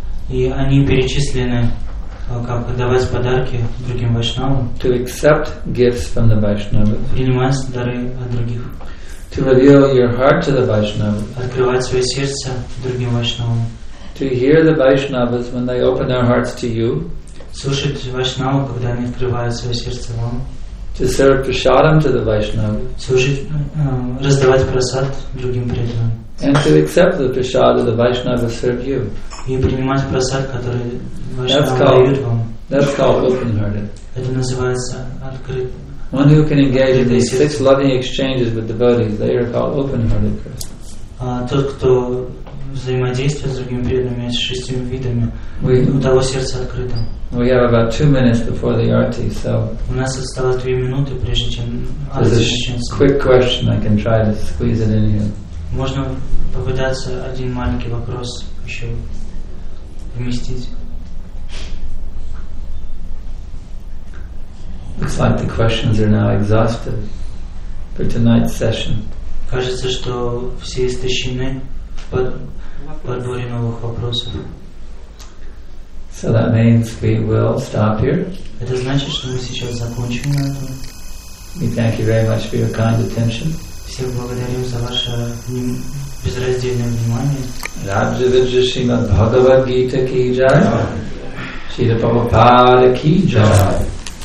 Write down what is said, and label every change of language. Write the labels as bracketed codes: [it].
[ru] И они перечислены как давать подарки другим Вайшнавам. [en] To accept gifts from the Vaishnava. [ru] Принимать дары от других. [en] To reveal your heart to the Vaishnava. [ru] Открывать свое сердце другим Вайшнавам. [en] To hear the Vaishnavas when they open their hearts to you. [ru] Слушать Вайшнаву, когда они открывают свое сердце вам. [en] To serve prasadam to the Vaishnavas. [ru] Раздавать прасад другим преданным. [en] And to accept the prasad the Vaishnavas serve you. [ru] И принимать прасад, который Вайшнавы дают вам. [en] That's called open-hearted. [ru] Это называется открыт. [en] One who can engage in these six loving exchanges with devotees, they are called open-hearted person. [ru] Тот, кто взаимодействует с другими преданными с шестью видами, у того сердце открыто. [en] We have about 2 minutes before the arti, so. [ru] У нас осталось 2 минуты, прежде чем [en] arti. Quick question, I can try to squeeze it in here. [ru] Можно попытаться один маленький вопрос еще вместить. [en] Looks like the questions are now exhausted for tonight's session. [ru] Кажется, что все истощены в подборе новых вопросов. [en] So that means we will stop here. [ru] Это значит, что мы сейчас закончим на этом. [en] We thank you very much for your kind attention. [ru] Всем благодарим за ваше безраздельное внимание. [sa] Раджа виджа шримад Бхагавад Гита ки джай. Шрила Прабхупада ки джай.